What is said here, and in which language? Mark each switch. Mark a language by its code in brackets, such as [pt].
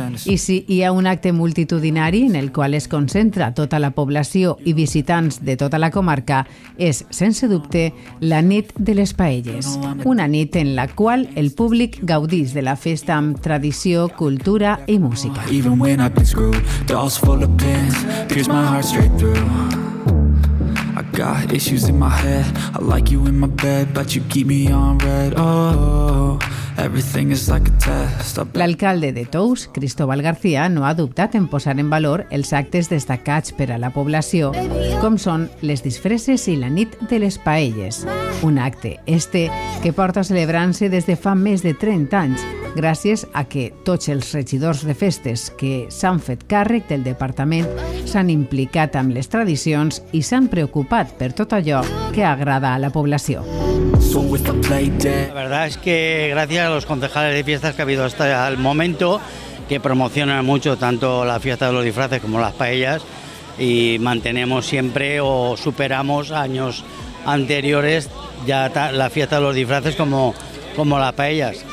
[ca] I si hi ha un acte multitudinari en el qual es concentra tota la població i visitants de tota la comarca, és, sense dubte, la nit de les paelles. Una nit en la qual el públic gaudís de la festa amb tradició, cultura i música. [en] Even when I've been screwed, dolls full of pins, pierce my heart straight through. I got issues in my head, I like you in my bed, but you keep me on red, oh. Everything is like a test. [ca] L'alcalde de Tous, Cristóbal García, no ha dubtat en posar en valor els actes destacats per a la població, com són les disfresses i la nit de les paelles. Un acte, este, que porta celebrant-se des de fa més de 30 anys, gràcies a que tots els regidors de festes que s'han fet càrrec del departament s'han implicat amb les tradicions i s'han preocupat per tot allò que agrada a la població. [es] La verdad es que gracias a los concejales de fiestas que ha habido hasta el momento, que promocionan mucho tanto la fiesta de los disfraces como las paellas, y mantenemos siempre o superamos años anteriores ya la fiesta de los disfraces como las paellas.